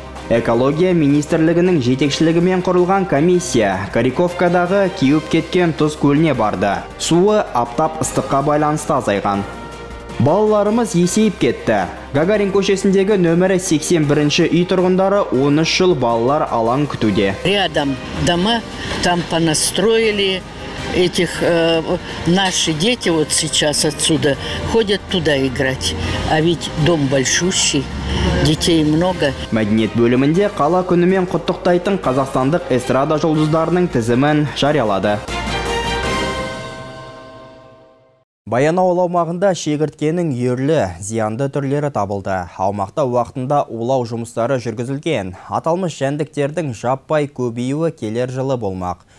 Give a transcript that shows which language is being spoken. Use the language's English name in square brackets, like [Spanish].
[Kazakh] Экология министрлігінің жетекшілігімен құрылған комиссия Кариковкадағы кеуіп кеткен тұз көліне барды. Суы аптап ыстыққа байланысты азайған. Балаларымыз есейіп кетті. Гагарин көшесіндегі нөмірі 81-ші үй тұрғындары 13 жыл балалар алаң күтуде. [Russian] Рядом дома там понастроили этих наши дети вот сейчас отсюда ходят туда играть. А ведь дом большущий, детей много. [Kazakh] Мәдениет бөлімінде қала күнімен құттықтайтын қазақстандық эстрада жұлдыздарының тізімін жариялады. Баянауыл аумағында шегірткенің үйірлі, зиянды түрлері табылды. Аумақта уақытында улау жұмыстары жүргізілген. Аталмыш жәндіктердің жаппай көбеюі келер жылы болмақ.